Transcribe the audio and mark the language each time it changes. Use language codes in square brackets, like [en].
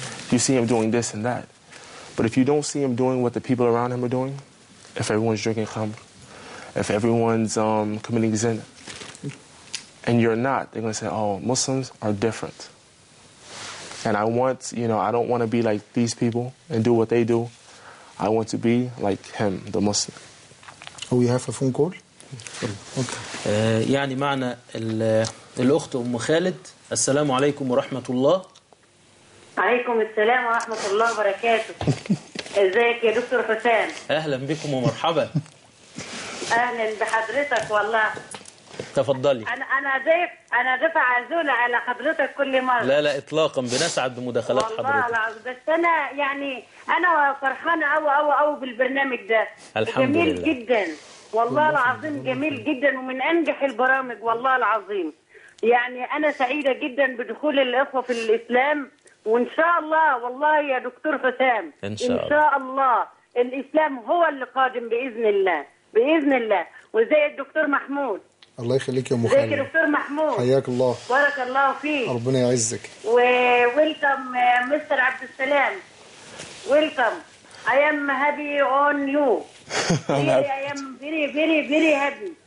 [en] You see him doing this and that. But if you don't see him doing what the people around him are doing, if everyone's drinking khamr, if everyone's committing zina, and you're not, they're going to say, oh, Muslims are different. And I don't want to be like these people and do what they do. I want to be like him, the Muslim. Oh, we have a phone call? Okay. [ar] يعني معنى الأخت أم خالد السلام عليكم ورحمة الله عليكم السلام ورحمة الله وبركاته إزيك يا دكتور حسام أهلا بكم ومرحبا أهلا بحضرتك والله تفضلي أنا دفع عزولة على حضرتك كل مرة لا إطلاقا بنسعد بمداخلات حضرتك والله بس أنا فرحانة أو بالبرنامج ده الحمد جميل لله. جدا والله العظيم جميل جدا ومن أنجح البرامج والله العظيم يعني أنا سعيدة جدا بدخول الإخوة في الإسلام وإن شاء الله والله يا دكتور حسام إن شاء الله الإسلام هو اللي قادم بإذن الله وزي الدكتور محمود الله يخليك يا مخالي زي الدكتور محمود حياك الله بارك الله فيك ربنا يعزك [en] Welcome mister عبد السلام welcome I am happy on you. Really, I am very, very, very happy.